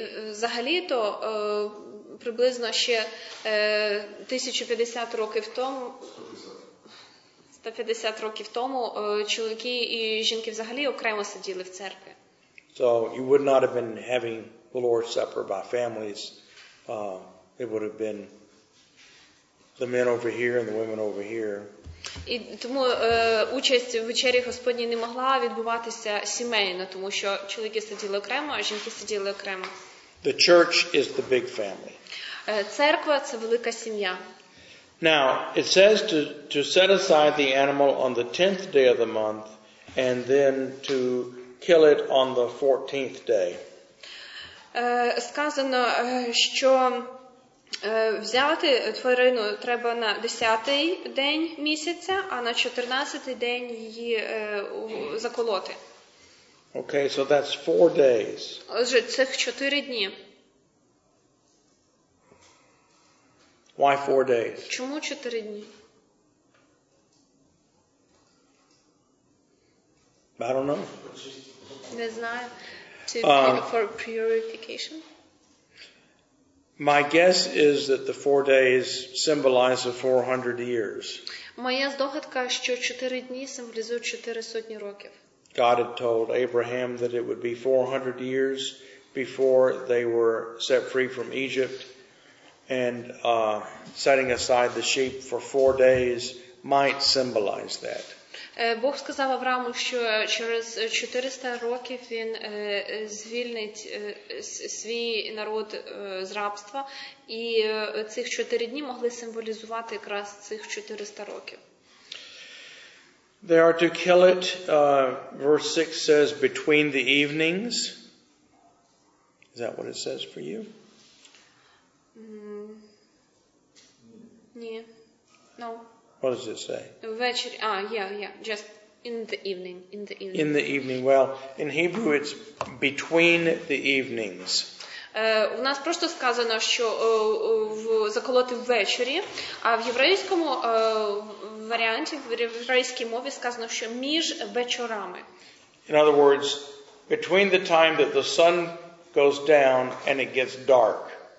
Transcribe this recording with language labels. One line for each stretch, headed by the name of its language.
Ukrainian: Взагалі-то, приблизно ще 1050 років тому, 150 років тому, чоловіки і жінки взагалі окремо сиділи в церкві.
English: So you would not have been having the Lord's Supper by families. It would have been the men over here and the women over here.
Ukrainian: І тому участь в вечері Господній не могла відбуватися сімейно, тому що чоловіки сиділи окремо, а жінки сиділи окремо.
English: The church is the big family.
Ukrainian: Церква – це велика сім'я.
English: Now, it says to set aside the animal on the 10th day of the month and then to kill it on the 14th day.
Ukrainian: Сказано, що... взяти тварину треба на 10-й день місяця, а на 14-й день її заколоти.
English: Okay, so that's 4 days.
Ukrainian: Отже, це 4 дні.
English: Why 4 days?
Ukrainian: Чому 4 дні?
English: I don't know.
Ukrainian: Не знаю.
English: For purification? My guess is that the 4 days symbolize the 400 years.
Ukrainian: Моя здогадка, що 4 дні символізують 4 сотні років.
English: God had told Abraham that it would be 400 years before they were set free from Egypt, and setting aside the sheep for 4 days might symbolize that.
Ukrainian: Бог сказав Аврааму, що через 400 років він звільнить свій народ з рабства, і цих 4 дні могли символізувати якраз цих 400 років.
English: They are to kill it, verse 6 says, between the evenings. Is that what it says for you?
Ukrainian: Ні.
English: No. What does it say?
Ukrainian: Ввечері. А,
English: yeah. Just in the evening. In the evening. In the evening. Well, in Hebrew it's between the evenings.
Ukrainian: У нас просто сказано, що заколоти ввечері, а в єврейському варіанті, в єврейській мові сказано, що між вечорами.
English: In other words, between the time that the sun goes down and it gets dark.